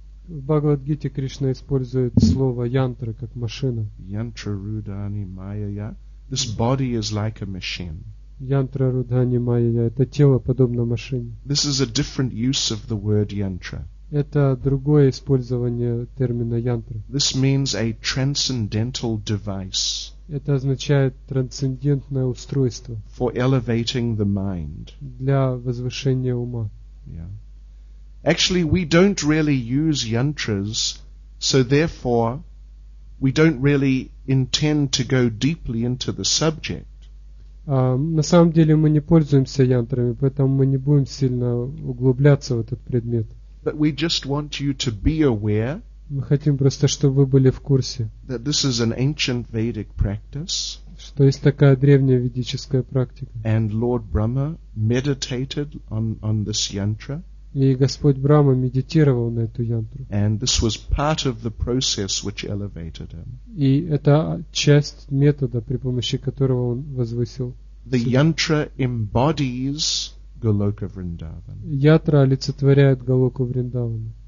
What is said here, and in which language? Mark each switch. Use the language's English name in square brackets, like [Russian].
[Russian] В Бхагавад Гите Кришна использует слово янтра как машина. [Sanskrit] Yantra rudani mayaya. [English] This body is like a machine. [Sanskrit] Yantra rudani mayaya. [Russian] Это тело подобно машине. [English] This is a different use of the word yantra. [Russian] Это другое использование термина янтра. [English] This means a transcendental device. [Russian] Это означает трансцендентное устройство. [English] For elevating the mind. [Russian] Для возвышения ума. [English] Yeah. Actually, we don't really use yantras, so therefore, we don't really intend to go deeply into the subject. [Russian] На самом деле мы не пользуемся янтрами, поэтому мы не будем сильно углубляться в этот предмет. [English] But we just want you to be aware. [Russian] Мы хотим просто, чтобы вы были в курсе. [English] That this is an ancient Vedic practice. [Russian] Что есть такая древняя ведическая практика. [English] And Lord Brahma meditated on this yantra. [Russian] И Господь Брахма медитировал на эту янтру. [English] And this was part of the process which elevated him. [Russian] И это часть метода, при помощи которого он возвысил. [English] The yantra embodies Goloka Vrindavan. [Russian] Ятра олицетворяет Голоку Вриндавана.